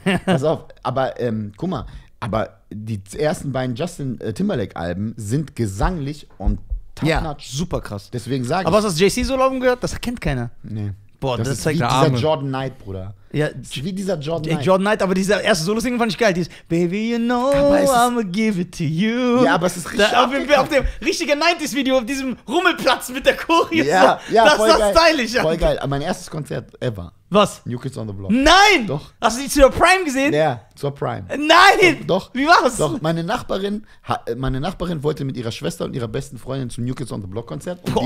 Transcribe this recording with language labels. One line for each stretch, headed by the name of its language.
German: Pass auf, aber guck mal, aber die ersten beiden Justin Timberlake-Alben sind gesanglich und top-notch. Ja, super krass. Deswegen sage ich. Aber was hast du JC so laufen gehört? Das kennt keiner. Nee. Boah, das ist wie dieser Jordan Knight, Bruder. Ja, wie dieser Jordan Knight. Jordan Knight, aber dieser erste Solo-Single fand ich geil. Dieses
English: Baby, you know, I'ma give it to you.
German: Ja, aber es ist richtig. Auf dem richtigen 90s-Video, auf diesem Rummelplatz mit der Choreo. Ja, so. Ja, das ist stylisch. Voll geil. Mein erstes Konzert ever. Was? New Kids on the Block. Nein! Doch. Hast du die zur Prime gesehen? Ja, zur Prime. Nein! Doch. Wie war's? Doch, meine Nachbarin wollte mit ihrer Schwester und ihrer besten Freundin zum New Kids on the Block Konzert.